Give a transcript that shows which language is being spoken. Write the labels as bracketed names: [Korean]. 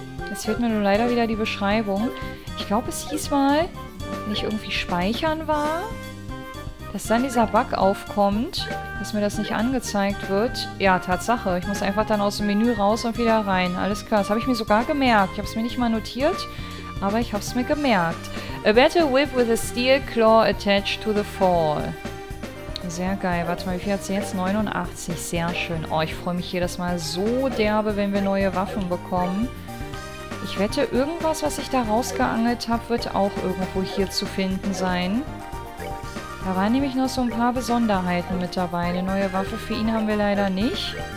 [German] Jetzt fehlt mir nur leider wieder die Beschreibung. Ich glaube, es hieß mal, wenn ich irgendwie speichern war, dass dann dieser Bug aufkommt, dass mir das nicht angezeigt wird. Ja, Tatsache. Ich muss einfach dann aus dem Menü raus und wieder rein. Alles klar. Das habe ich mir sogar gemerkt. Ich habe es mir nicht mal notiert, aber ich habe es mir gemerkt. [English] A battle whip with a steel claw attached to the fall. [German] Sehr geil. Warte mal, wie viel hat sie jetzt? 89. Sehr schön. Oh, ich freue mich jedes Mal so derbe, wenn wir neue Waffen bekommen. Ich wette, irgendwas, was ich da rausgeangelt habe, wird auch irgendwo hier zu finden sein. Da waren nämlich noch so ein paar Besonderheiten mit dabei. Eine neue Waffe für ihn haben wir leider nicht.